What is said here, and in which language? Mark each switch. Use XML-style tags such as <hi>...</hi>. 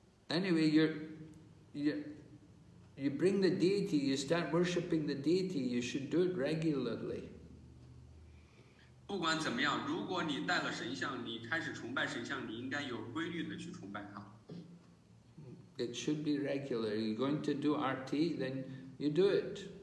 <en>Anyway, you bring the deity, you start worshipping the deity, you should do it regularly.</en> <zh>不管怎么样，如果你带了神像，你开始崇拜神像，你应该有规律的去崇拜它。</zh> <en>It should be regular. You're going to do RT, then you do it.</en>